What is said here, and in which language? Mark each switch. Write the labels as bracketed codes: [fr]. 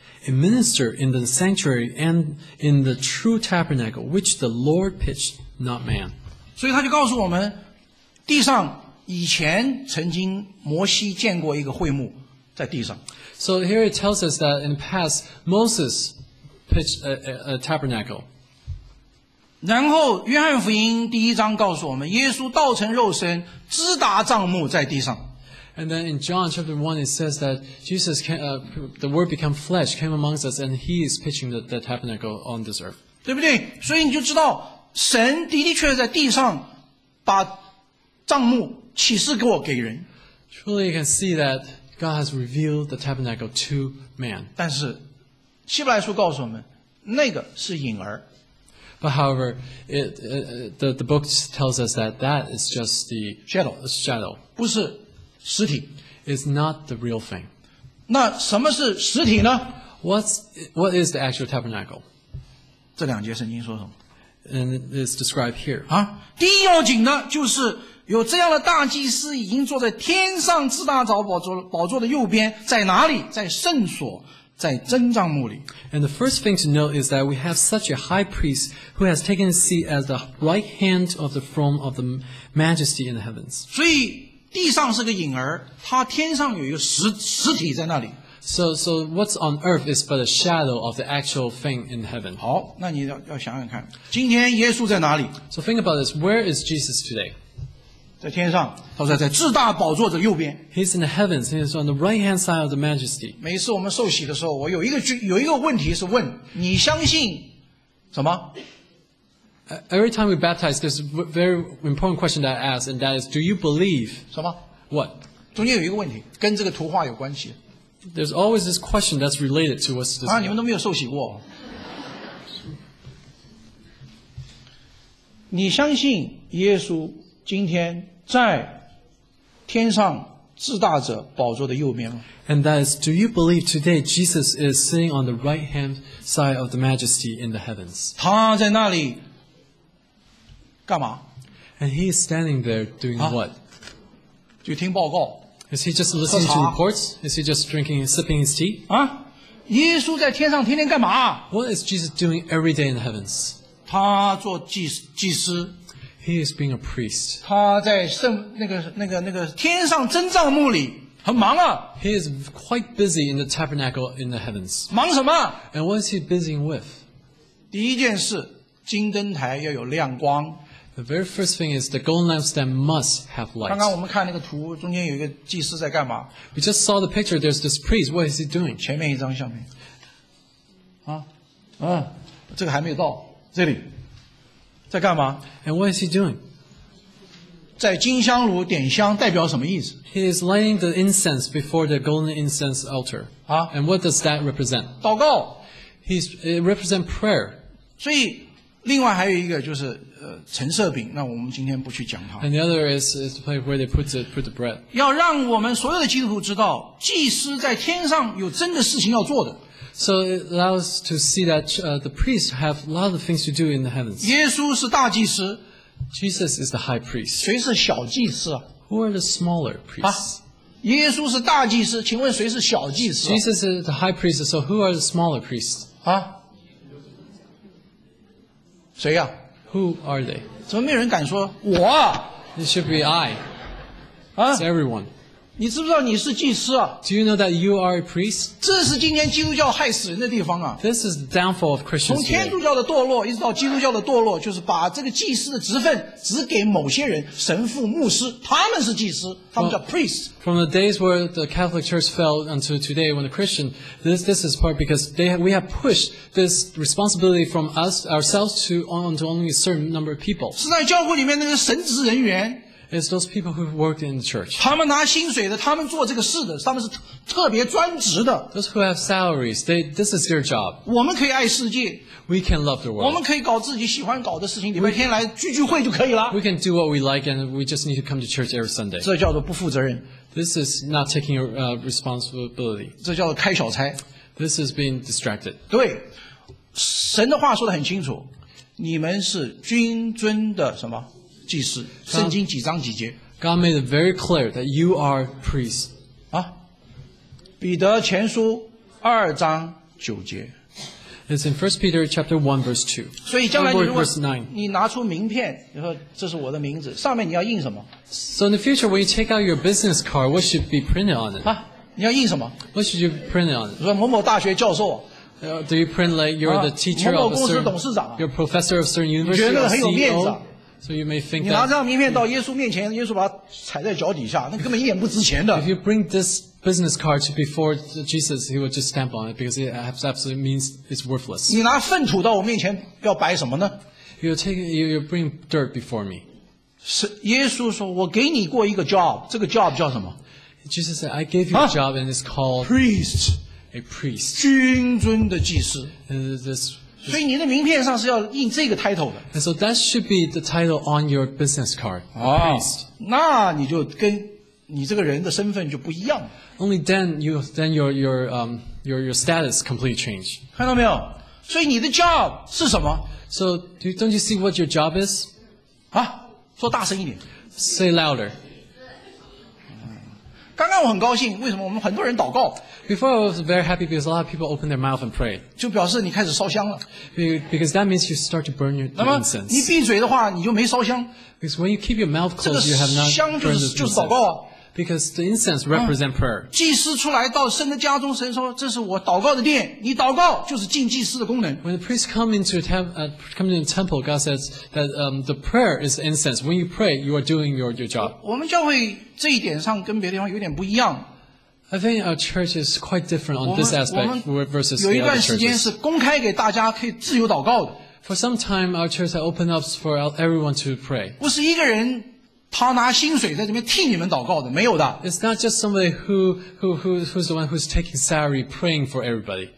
[en] A minister in the sanctuary and in the true tabernacle, which the Lord pitched, not man. [zh] 所以他就告诉我们，地上以前曾经摩西见过一个会幕在地上。 [en] So here it tells us that in the past, Moses pitched a tabernacle. [zh] 然后约翰福音第一章告诉我们，耶稣道成肉身，支搭帐幕在地上。 [en] And then in John chapter 1, it says that Jesus, came, the Word became flesh, came amongst us, and He is pitching the tabernacle on this earth. [zh] 对不对？所以你就知道，神的的确在地上把帐幕启示给我给人。 [en] Truly, you can see that God has revealed the tabernacle to man. [zh] 但是希伯来书告诉我们，那个是影儿。 [en] But however, the book tells us that that is just the shadow. Shadow. [zh] 不是。实体 [en] is not the real thing. [zh] 那什么是实体呢？ [en] What is the actual tabernacle? [zh] 这两节圣经说什么？ [en] And it's described here. [zh] 啊，第一要紧呢，就是有这样的大祭司已经坐在天上至大宝座宝座的右边，在哪里？在圣所，在真帐幕里。 [en] And the first thing to note is that we have such a high priest who has taken a seat at the right hand of the throne of the Majesty in the heavens. [zh] 所以地上是个影儿，它天上有一个 实体在那里。 [en] So what's on earth is but a shadow of the actual thing in heaven. [zh] 好，那你 要想想看，今天耶稣在哪里？ [en] So think about this, where is Jesus today? [zh] 在天上，他说在至大宝座的右边。 [en] He's in the heavens, he's on the right hand side of the majesty. [zh] 每次我们受洗的时候，我有一个问题是问，你相信什么？ [en] Every time we baptize, there's a very important question that I ask, and that is, do you believe? [zh] 什么 [en] What? [zh] 中间有一个问题，跟这个图画有关系。 [en] There's always this question that's related to what's this. [zh] 啊，你们都没有受洗过。你相信耶稣今天在天上至大者宝座的右边吗？ [en] And that is, do you believe today Jesus is sitting on the right hand side of the Majesty in the heavens? [zh] 他在那里。干嘛？ [en] And he is standing there doing what? [zh] 就听报告。 [en] Is he just listening to reports? Is he just drinking and sipping his tea? [zh] 啊，耶稣在天上天天干嘛？ [en] What is Jesus doing every day in the heavens? [zh] 他做祭司。 [en] He is being a priest. [zh] 他在圣那个天上真帐幕里很忙啊。 [en] He is quite busy in the tabernacle in the heavens. [zh] 忙什么？ [en] And what is he busy with? [zh] 第一件事。金灯台要有亮光。 [en] The very first thing is the golden lampstand must have light. [zh] 刚刚我们看那个图，中间有一个祭司在干嘛 [en] ？We just saw the picture. There's this priest. What is he doing? [zh] 前面一张相片。啊，这个还没有到这里，在干嘛 [en] ？And what is he doing? [zh] 在金香炉点香代表什么意思 [en] ？He is lighting the incense before the golden incense altar. 啊，And what does that represent? [zh] 祷告。 [en] It represents prayer. [zh] 所以。另外还有一个就是陈设饼，那我们今天不去讲它。 [en] And the other is the place where they put the bread. [zh] 要让我们所有的基督徒知道，祭司在天上有真的事情要做的。 [en] So it allows to see that the priests have a lot of things to do in the heavens. [zh] 耶稣是大祭司。 [en] Jesus is the high priest. [zh] 谁是小祭司啊 [en] ？Who are the smaller priests?、 [zh] 啊耶稣是大祭司，请问谁是小祭司、啊、 [en] ？Jesus is the high priest. So who are the smaller priests? 啊？ [zh] 谁呀、啊、 [en] ？Who are they？ [zh] 怎么没有人敢说我、啊、 [en] ？It should be I. 啊？It's everyone. [zh] 你知不知道你是祭司啊 [en] ？Do you know that you are a priest？ [zh] 这是今天基督教害死人的地方啊 [en] ！This is the downfall of Christians. [zh] 从天主教的堕落一直到基督教的堕落，就是把这个祭司的职分只给某些人，神父、牧师，他们是祭司，他们叫 priest。 [en] Well, from the days where the Catholic Church fell until today, when the Christian, this is part because we have pushed this responsibility from us ourselves to onto only a certain number of people. [zh] 是在教会里面那个神职人员。 [en] It's those people who worked in the church. [zh] 他们拿薪水的，他们做这个事的，他们是特别专职的。 [en] Those who have salaries, this is their job. [zh] 我们可以爱世界。 [en] We can love the world. [zh] 我们可以搞自己喜欢搞的事情，礼拜天来聚聚会就可以了。 [en] We can do what we like, and we just need to come to church every Sunday. [zh] 这叫做不负责任。 [en] This is not taking responsibility. [zh] 这叫做开小差。 [en] This is being distracted. [zh] 对，神的话说得很清楚，你们是君尊的什么？祭司，圣经几章几节 [en] ？God made it very clear that you are priests. [zh] 啊，彼得前书二章九节。 [en] It's in 1 Peter chapter 1 verse 2. [zh] 所以将来你如果你拿出名片，你说这是我的名字，上面你要印什么 [en] ？So in the future, when you take out your business card, what should be printed on it? [zh] 啊，你要印什么 [en] ？What should you print on it? [zh] 说某某大学教授。 [en] Do you print like you're the teacher of a certain? [zh] 某某公司董事长。 [en] You're professor of certain university. [zh] 你觉得很有面子。 [en] So you may think [zh] 你拿这张名片到耶稣面前，耶稣把它踩在脚底下，那根本一点不值钱的。 [en] If you bring this business card before Jesus, he would just stamp on it because it absolutely means it's worthless. [zh] 你拿粪土到我面前要摆什么呢 [en] ？You bring dirt before me. [zh] 是耶稣说，我给你过一个 job， 这个 job 叫什么 [en] ？Jesus said, I gave you a job and it's called priest, a priest, [zh] 君尊的祭司。 [en] This. [zh] 所以你的名片上是要印这个 title 的。 [en] And so that should be the title on your business card. [zh] 啊，那你就跟你这个人的身份就不一样。 [en] Only then your status completely change. [zh] 看到没有？所以你的 job 是什么 [en] ？So don't you see what your job is? [zh] 啊，说大声一点。 [en] Say louder. [zh] 刚刚我很高兴，为什么我们很多人祷告？ [en] Before I was very happy because a lot of people open their mouth and pray. [zh] 就表示你开始烧香了。 [en] Because that means you start to burn your incense. [zh] 那么你闭嘴的话，你就没烧香。 [en] Because when you keep your mouth closed, you have not burned the incense. [zh] 这个香就是祷告啊。 [en] Because the incense represents prayer. [zh] 祭司出来到神的家中，神说：“这是我祷告的殿。” 你祷告就是进祭司的功能。 [en] When the priest come into the temple, God says that the prayer is incense. When you pray, you are doing your job. [zh] 我们教会这一点上跟别的地方有点不一样。 [en] I think our church is quite different on this aspect versus the other churches. For some time, our church has opened up for everyone to pray. [zh] 不是一个人他拿薪水在这边替你们祷告的，没有的。 [en] It's not just somebody who's the one who's taking salary praying for everybody.